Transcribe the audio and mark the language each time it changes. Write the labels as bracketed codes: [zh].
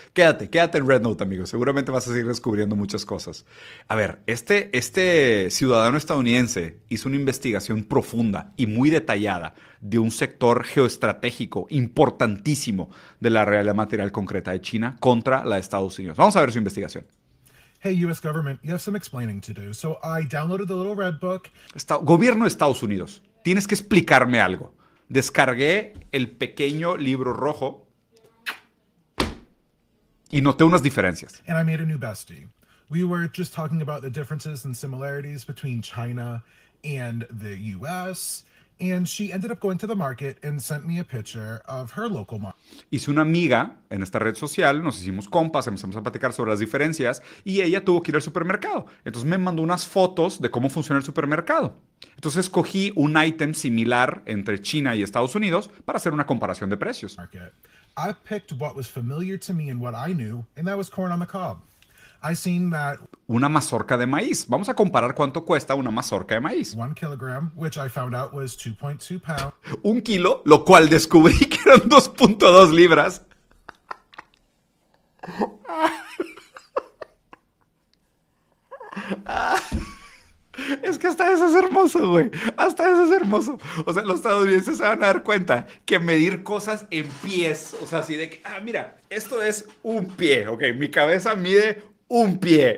[es] Quédate en Red Note, amigo. Seguramente vas a seguir descubriendo muchas cosas. A ver, este ciudadano estadounidense hizo una investigación profunda y muy detallada de un sector geoestratégico importantísimo de la realidad material concreta de China contra la de Estados Unidos. Vamos a ver su investigación. [en] Hey, U.S. government, you have some explaining to do. So I downloaded the little red book. [es] Gobierno de Estados Unidos, tienes que explicarme algo. Descargué el pequeño libro rojo y noté unas diferencias. [en] And I made a new bestie. We were just talking about the differences and similarities between China and the US. And she ended up going to the market and sent me a picture of her local market. [es] Hice una amiga en esta red social, nos hicimos compas, empezamos a platicar sobre las diferencias y ella tuvo que ir al supermercado. Entonces me mandó unas fotos de cómo funciona el supermercado. Entonces escogí un item similar entre China y Estados Unidos para hacer una comparación de precios. [en] Market. I picked what was familiar to me and what I knew, and that was corn on the cob. I seen that [es] una mazorca de maíz. Vamos a comparar cuánto cuesta una mazorca de maíz. [en] 1 kilogram, which I found out was 2.2 pounds. [es] Un kilo, lo cual descubrí que eran 2.2 libras. Es que hasta eso es hermoso, güey. Hasta eso es hermoso. O sea, los estadounidenses se van a dar cuenta que medir cosas en pies, o sea, así de que, ah, mira, esto es un pie, ok, mi cabeza mide un pie.